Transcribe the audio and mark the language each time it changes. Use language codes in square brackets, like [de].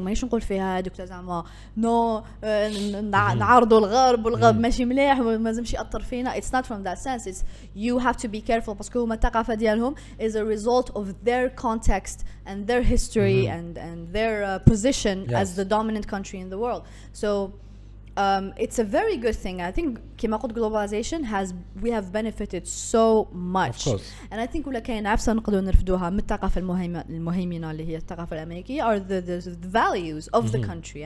[ar] ما نقول فيها دكتور زعما نو نعرضوا الغرب والغرب ماشي مليح وما لازمش ياثر فينا. [en] It's not from that sense. It's you have to be careful [ar] باسكو هما الثقافة ديالهم [en] is a result of their context and their history and their position as the dominant country in the world. So it's a very good thing. I think [ar] كيماقود [en] globalization has we have benefited so much. Of course. And I think [ar] ولا كاين عفسا نقدر نرفدوها من الثقافة المهيمنة اللي هي الثقافة الأمريكية [en] are the values of the country.